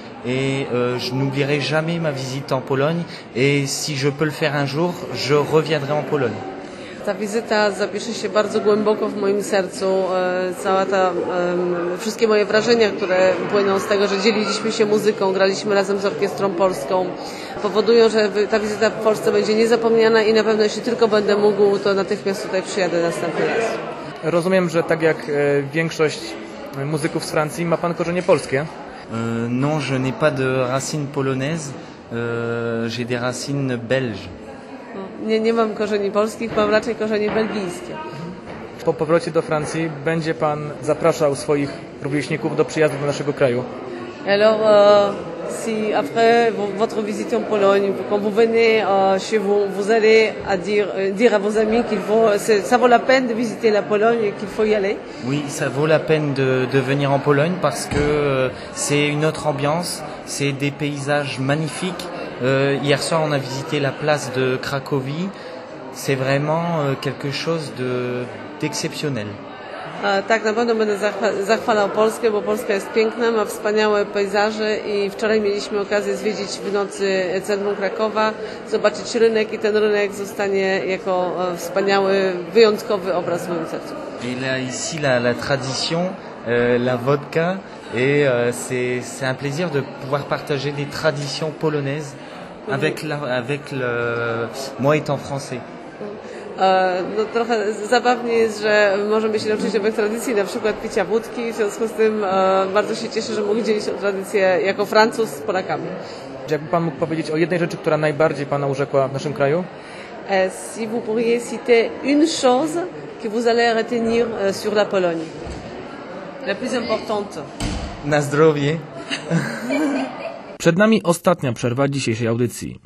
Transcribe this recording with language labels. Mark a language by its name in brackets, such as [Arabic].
[French] Et je n'oublierai jamais ma visite en Pologne et si je peux le faire un jour, je reviendrai en Pologne. [Polish] Ta wizyta zapisze się bardzo głęboko w moim sercu. Cała ta, wszystkie moje wrażenia, które płyną z tego, że dzieliliśmy się muzyką, graliśmy razem z orkiestrą polską, powodują, że ta wizyta w Polsce będzie niezapomniana i na pewno jeśli tylko będę mógł, to natychmiast tutaj przyjadę następny raz. Rozumiem, że tak jak większość muzyków z Francji, ma pan korzenie polskie. [French] Non, je n'ai pas de racines polonaises, j'ai des racines belges. [Polish] Nie, nie mam korzeni polskich, mam raczej korzenie belgijskie. Po powrocie do Francji będzie pan zapraszał swoich rówieśników do przyjazdu do naszego kraju? [French] Alors, si après votre visite en Pologne, quand vous venez chez vous, vous allez à dire à vos amis qu'il faut, ça vaut la peine de visiter la Pologne et qu'il faut y aller. Oui, ça vaut la peine de venir en Pologne parce que c'est une autre ambiance, c'est des paysages magnifiques. Hier soir, on a visité la place de Cracovie. C'est vraiment quelque chose d'exceptionnel. [Polish] Tak, na pewno będę zachwalał Polskę, bo Polska jest piękna, ma wspaniałe pejzaże i wczoraj mieliśmy okazję zwiedzić w nocy centrum Krakowa, zobaczyć rynek i ten rynek zostanie jako wspaniały, wyjątkowy obraz w moim sercu. [French] Et là, ici, la tradition, la vodka, et c'est un plaisir de pouvoir partager des traditions polonaises avec moi étant français. [Polish] No trochę zabawnie jest, że możemy się nauczyć nowych tradycji, na przykład picia wódki, w związku z tym bardzo się cieszę, że mógł dzielić się o tradycję jako Francuz z Polakami. Jakby pan mógł powiedzieć o jednej rzeczy, która najbardziej pana urzekła w naszym kraju? [French] Si vous pourriez citer une chose que vous allez retenir sur la Pologne. La plus importante. [Polish] Na zdrowie. Przed nami ostatnia przerwa dzisiejszej audycji.